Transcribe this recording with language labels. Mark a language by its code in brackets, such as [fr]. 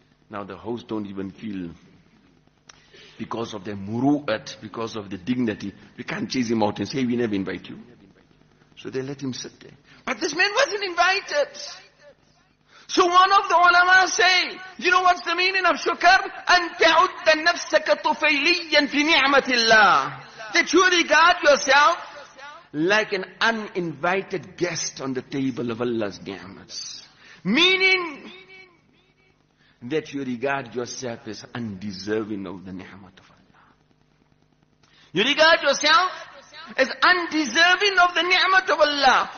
[en] Now the host don't even feel, because of the muru'at, because of the dignity, we can't chase him out and say, we never invite you. So they let him sit there. But this man wasn't invited. So one of the ulama say, you know what's the meaning of shukr? [ar] أن تعد نفسك طفيليا في نعمة الله. [en] That you regard yourself like an uninvited guest on the table of Allah's ni'mats. Meaning that you regard yourself as undeserving of the ni'mat of Allah. You regard yourself as undeserving of the ni'mat of Allah.